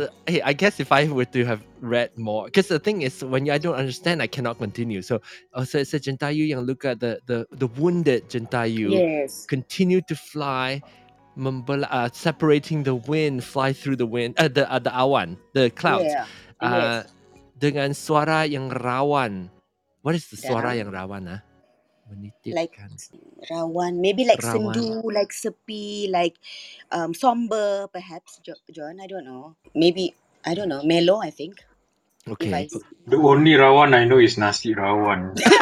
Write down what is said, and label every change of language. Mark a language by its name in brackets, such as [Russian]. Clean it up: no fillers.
[English] I guess if I were to have read more, because the thing is, when I don't understand, I cannot continue. So, also it's a [Malay] Jentayu yang luka, [English] the wounded Jentayu, yes, continue to fly, separating the wind, fly through the wind, the awan, the clouds, yeah. Yes. [Malay] Dengan suara yang rawan. [English] What is the [Malay] suara yang rawan? [English] Ah? Like rawan, maybe like rawan. Sendu, like sepi, like somber, perhaps, John, I don't know. Maybe, I don't know, mellow, I think. Okay. The only rawan I know is nasi rawan.